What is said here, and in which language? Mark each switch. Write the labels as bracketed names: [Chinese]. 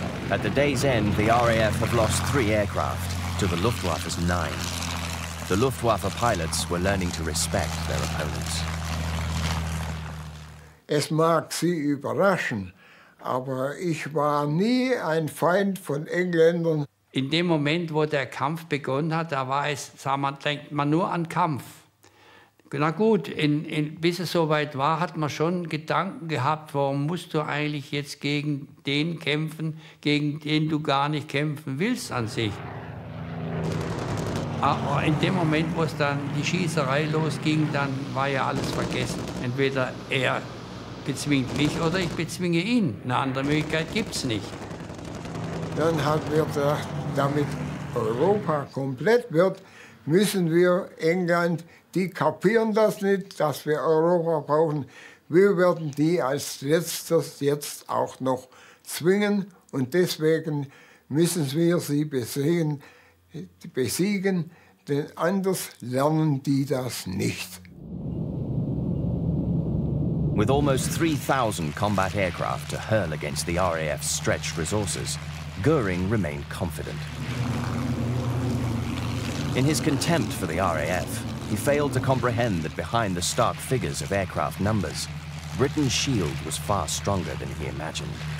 [English] At the day's end, the RAF have lost 3 aircraft to the Luftwaffe's 9. The Luftwaffe pilots were learning to respect their opponents. [German] Es mag Sie überraschen, aber ich war nie ein Feind von Engländern. In dem Moment, wo der Kampf begonnen hat, da war es, sah man, denkt man nur an Kampf. Na gut, bis es soweit war, hat man schon Gedanken gehabt, warum musst du eigentlich jetzt gegen den kämpfen, gegen den du gar nicht kämpfen willst an sich. Aber in dem Moment, wo es dann die Schießerei losging, dann war ja alles vergessen. Entweder er bezwingt mich oder ich bezwinge ihn. Eine andere Möglichkeit gibt's nicht. Dann haben wir gedacht, damit Europa komplett wird, müssen wir England. Die kapieren das nicht, dass wir Europa brauchen. Wir werden die als letztes jetzt auch noch zwingen. Und deswegen müssen wir sie besiegen, denn anders lernen die das nicht. [English] With almost 3,000 combat aircraft to hurl against the RAF's stretched resources, Göring remained confident. In his contempt for the RAF, he failed to comprehend that behind the stark figures of aircraft numbers, Britain's shield was far stronger than he imagined.